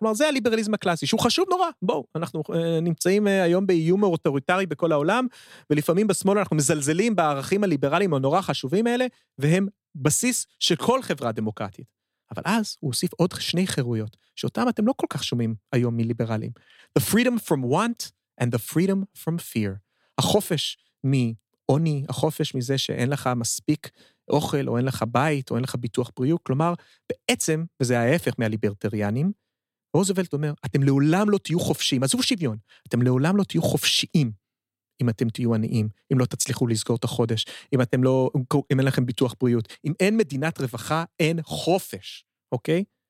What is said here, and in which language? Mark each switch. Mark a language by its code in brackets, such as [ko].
[he] כלומר, זה הליברליזם הקלאסי, שהוא חשוב נורא. בואו, אנחנו נמצאים היום באיום אוטוריטרי בכל העולם, ולפעמים בשמאל אנחנו מזלזלים בערכים הליברליים הנורא חשובים האלה, והם בסיס של כל חברה דמוקרטית. אבל אז הוא הוסיף עוד שני חירויות, שאותם אתם לא כל כך שומעים היום מליברלים. [en] The freedom from want and the freedom from fear. [he] החופש מעוני, החופש מזה שאין לך מספיק אוכל, או אין לך בית, או אין לך ביטוח בריאות, כלומר, בעצם, וזה ההפך מהליברטריאנים, רוזוולט אומר, אתם לעולם לא תהיו חופשיים, עזבו שוויון, אתם לעולם לא תהיו חופשיים, אם אתם תהיו עניים, אם לא תצליחו לסגור את החודש, אם אתם לא, אם אין לכם ביטוח בריאות, אם אין מדינת רווחה, אין חופש, אוקיי?